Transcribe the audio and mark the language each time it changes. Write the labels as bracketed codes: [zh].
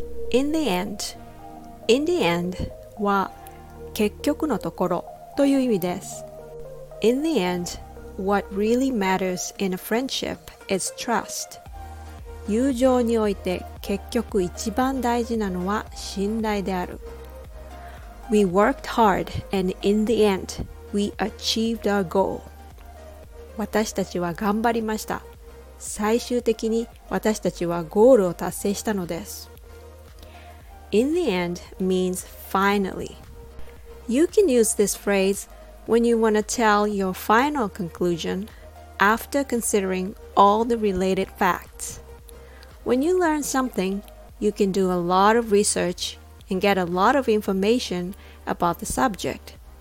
[en] In the end、 In the end [ja] は結局のところという意味です。 [en] In the end, what really matters in a friendship is trust。 [ja] 友情において結局一番大事なのは信頼である。 [en] We worked hard and in the end we achieved our goal。 [ja] 私たちは頑張りました。最終的に私たちはゴールを達成したのです。 [en] In the end means finally。 You can use this phrase when you want to tell your final conclusion after considering all the related facts。 When you learn something, you can do a lot of research and get a lot of information about the subject。